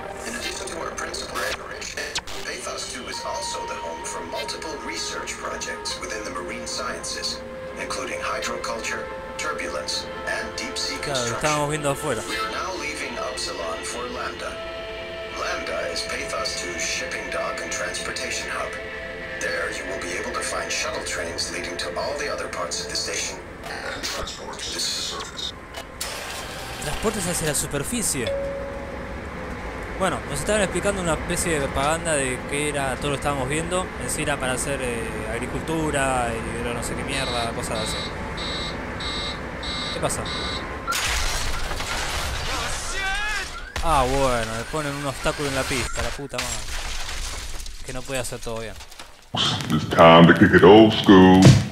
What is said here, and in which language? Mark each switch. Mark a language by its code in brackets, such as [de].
[en] In addition to our principal operation, Pathos 2 is also the home for multiple research projects within the marine sciences, including hydroculture, turbulence, and deep sea construction. We are now leaving Upsilon for Lambda. Lambda is Pathos 2's shipping dock and transportation hub. There you will be able to find shuttle trains leading to all the other parts of the station. [es] Las puertas hacia la superficie. Bueno, nos estaban explicando una especie de propaganda de que era todo lo que estábamos viendo. En sí era para hacer agricultura y no sé qué mierda, cosas así. ¿Qué pasa? Ah, bueno, le ponen un obstáculo en la pista, la puta madre. Que no puede hacer todo bien. [en] It's time to kick it old school.